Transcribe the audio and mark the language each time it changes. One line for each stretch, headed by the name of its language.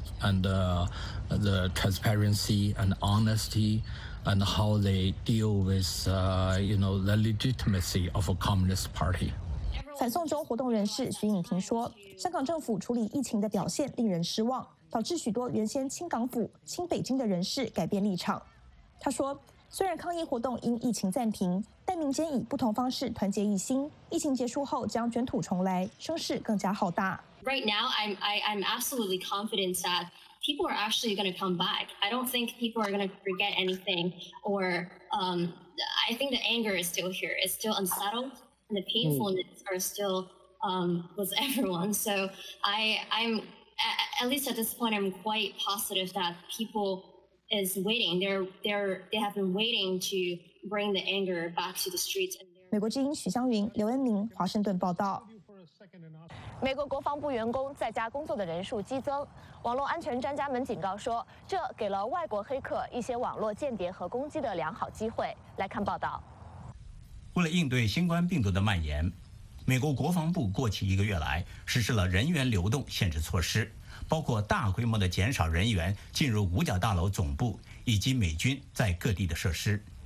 English: And the transparency and honesty, and how they deal with, the legitimacy of a communist party.
Chinese: 反送中活动人士徐颖婷说，香港政府处理疫情的表现令人失望，导致许多原先亲港府、亲北京的人士改变立场。他说，虽然抗议活动因疫情暂停，但民间以不同方式团结一心，疫情结束后将卷土重来，声势更加浩大。
English: Right now, I'm absolutely confident that people are actually going to come back. I don't think people are going to forget anything, or I think the anger is still here. It's still unsettled, and the painfulness are still with everyone. So I'm at least at this point, I'm quite positive that people is waiting. They have been waiting to bring the anger back to the streets.
Chinese: 美国之音许湘云、刘恩明，华盛顿报道。美国国防部员工在家工作的人数激增，网络安全专家们警告说，这给了外国黑客一些网络间谍和攻击的良好机会。来看报道。为了应对新冠病毒的蔓延，美国国防部过去一个月来实施了人员流动限制措施，包括大规模的减少人员进入五角大楼总部以及美军在各地的设施。